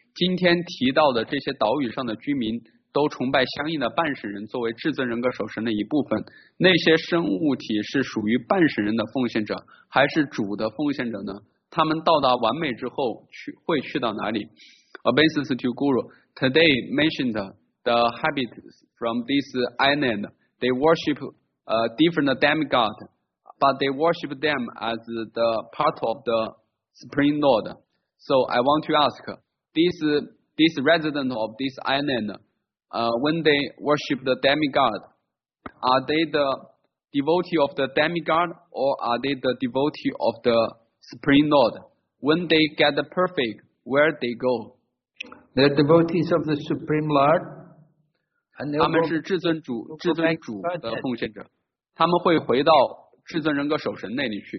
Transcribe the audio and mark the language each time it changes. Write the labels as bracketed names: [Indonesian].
[Chinese] 今天提到的这些岛屿上的居民都崇拜相应的半神人作为至尊人格守神的一部分，那些生物体是属于半神人的奉献者还是主的奉献者呢？他们到达完美之后会去到哪里？ [English] Obeisance to Guru, today mentioned the habitants from this island, they worship different demigod, but they worship them as the part of the Supreme Lord. So I want to ask, this resident of this islandwhen they worship the demigod, are they the devotee of the demigod or are they the devotee of the Supreme Lord? When they get the perfect, where they go? They're devotees of the Supreme Lord. [Chinese] 他们是至尊主的奉献者，他们会回到至尊人格守神那里去。